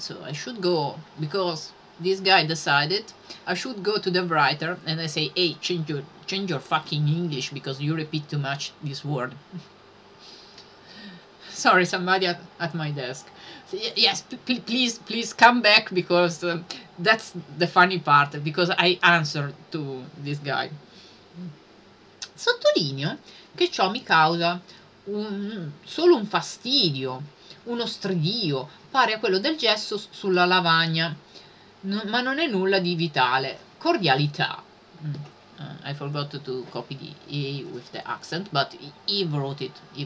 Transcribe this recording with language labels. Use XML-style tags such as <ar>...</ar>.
<en>So I should go, because this guy decided, I should go to the writer and I say, hey, change your fucking English because you repeat too much this word. Sorry, somebody at my desk. Yes, please come back, because that's the funny part, because I answered to this guy.</en> <it>Sottolineo che ciò mi causa solo un fastidio, uno stridio, pare a quello del gesso sulla lavagna, ma non è nulla di vitale. Cordialità.</it> <en>I forgot to copy the E with the accent, but he wrote it.</en>